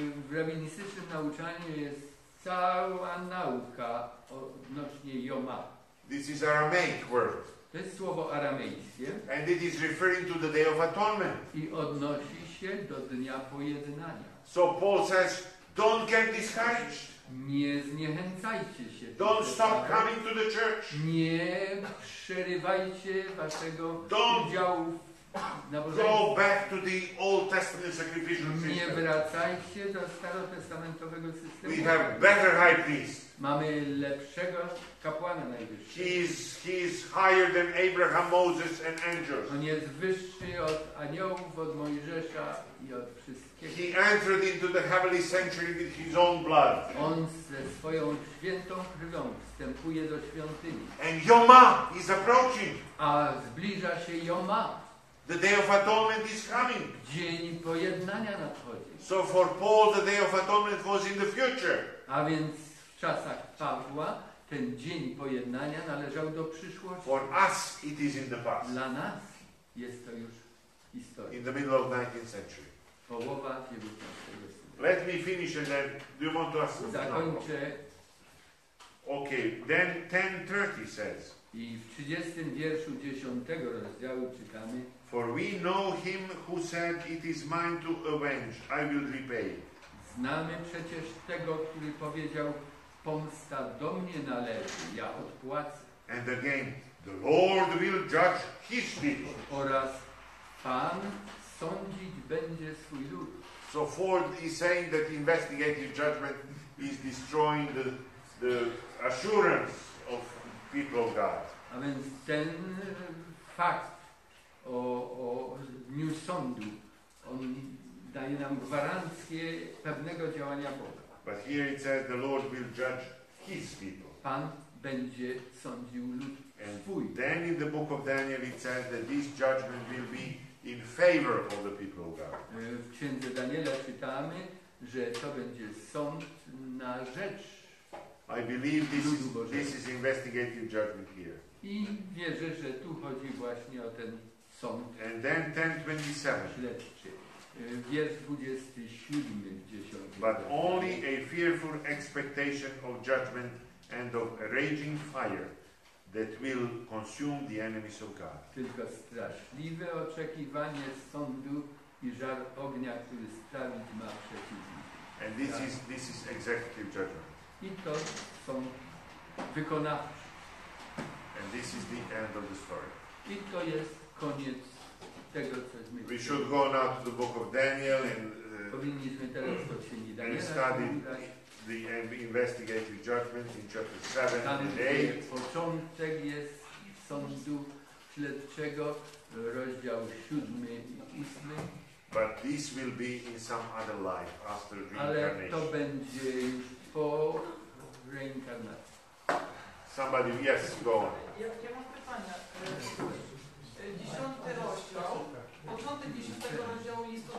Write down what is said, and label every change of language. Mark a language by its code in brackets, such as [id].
[pl] W rabinistycznym nauczaniu jest cała nauka odnośnie Yoma. [en] This is Aramaic word. [pl] To jest słowo aramejskie. [en] And it is referring to the Day of Atonement. [pl] I odnosi się do Dnia Pojednania. [en] So Paul says, don't get discouraged. [pl] Nie zniechęcajcie się. [en] Don't stop coming to the church. [pl] Nie przerywajcie waszego udziału w [en] Go back to the Old Testament sacrificial system. [pl] Nie wracajcie do starotestamentowego systemu. [en] We have better high priest. [pl] Mamy lepszego kapłana najwyższego. [en] He is higher than Abraham, Moses and angels. [pl] On jest wyższy od aniołów, od Mojżesza i od wszystkich. [en] He entered into the heavenly sanctuary with his own blood. [pl] On ze swoją świętą krwią wstępuje do świątyni. [en] And Yoma is approaching. [pl] A zbliża się Yoma. [en] The Day of Atonement is coming. [pl] Dzień pojednania nadchodzi. [en] So for Paul, the Day of Atonement was in the future. [pl] A więc w czasach Pawła ten dzień pojednania należał do przyszłości. [en] For us, it is in the past. [pl] Dla nas jest to już historia. [en] In the middle of 19th century. [pl] Połowa [en] 19th century. Let me finish and then do you want to ask something? [pl] Zakończę. [en] Okay, then 10:30 says. [pl] I w 30 wierszu 10 rozdziału czytamy. [en] For we know him who said, it is mine to avenge, I will repay. [pl] Znamy przecież tego, który powiedział, pomsta do mnie należy, ja odpłacę. [en] And again, the Lord will judge his people. [pl] Oraz Pan sądzić będzie swój lud. [en] So Ford is saying that investigative judgment is destroying the assurance of people of God. [pl] A więc ten fakt, o dniu sądu. On daje nam gwarancję pewnego działania Boga. [en] But here it says the Lord will judge his people. [pl] Pan będzie sądził lud swój. [en] Then in the book of Daniel it says that this judgment will be in favor of the people of God. [pl] W księdze Daniela czytamy, że to będzie sąd na rzecz. [en] I believe this is investigative judgment here. [pl] I wierzę, że tu chodzi właśnie o ten. [en] And then 10:27. [pl] Śledczy. Wiersz 27 w 10. [en] But only a fearful expectation of judgment and of raging fire that will consume the enemies of God. [pl] Tylko straszliwe oczekiwanie sądu i żar ognia, który sprawić ma przeciwnik. [en] And this is executive judgment. [pl] I to są wykonawcze. [en] And this is the end of the story. [pl] I to jest koniec tego, co jest. [en] We should go now to the book of Daniel and, [pl] powinniśmy teraz do księgi Daniela [en] and study the investigative judgment in chapter 7 and 8. [pl] Początek jest sądu śledczego, rozdział 7 i 8. [en] But this will be in some other life after reincarnation. [pl] Ale to będzie po reinkarnacji. [en] Somebody, yes, go on. [pl] Ja mam pytania. 10 rozdział, początek 10 rozdziału listu do